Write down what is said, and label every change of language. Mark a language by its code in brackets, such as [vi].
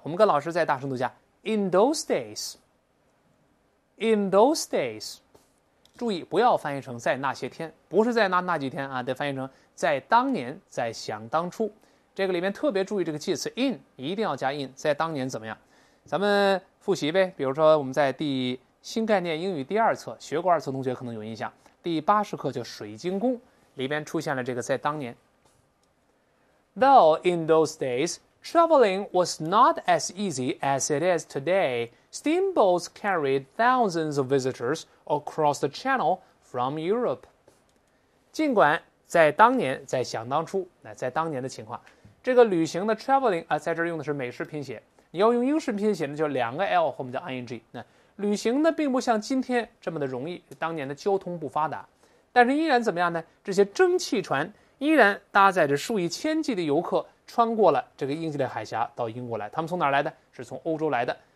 [zh] 我们跟老师在大声读一下 [en] in those days, in those days, [zh] 注意不要翻译成在那些天，不是在那几天啊，得翻译成在当年，在想当初。这个里面特别注意这个介词 in, 一定要加 in, 在当年怎么样。咱们复习呗，比如说我们在第新概念英语第二册学过二册，同学可能有印象，第80课叫水晶宫，里边出现了这个在当年。 [en] Though in those days, traveling was not as easy as it is today, steamboats carried thousands of visitors across the channel from Europe. [zh] 尽管在当年，在想当初，在当年的情况，这个旅行的 traveling,在这用的是美式拼写，你要用英式拼写呢，就两个 L 后面叫 ING, 那旅行呢并不像今天这么的容易，当年的交通不发达，但是依然怎么样呢，这些蒸汽船依然搭载着数以千计的游客穿过了这个英吉利海峡到英国来，他们从哪来的，是从欧洲来的。